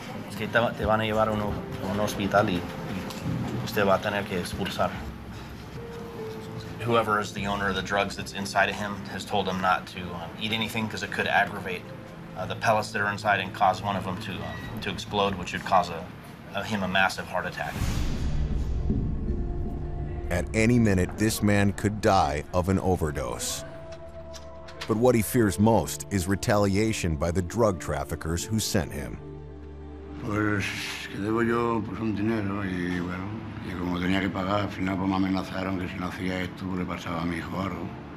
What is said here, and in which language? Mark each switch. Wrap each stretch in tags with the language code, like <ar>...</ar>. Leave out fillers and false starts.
<es>Es que te van a llevar a un hospital y usted va a tener que expulsar.</es> <en>Whoever is the owner of the drugs that's inside of him has told him not to eat anything because it could aggravate the pellets that are inside and cause one of them to explode, which would cause him a massive heart attack. At any minute, this man could die of an overdose. But what he fears most is retaliation by the drug traffickers who sent him.</en> <es>Pues que debo yo pues un dinero y bueno, y como tenía que pagar, al final pues me amenazaron que si no hacía esto le pasaba a mi hijo algo.</es>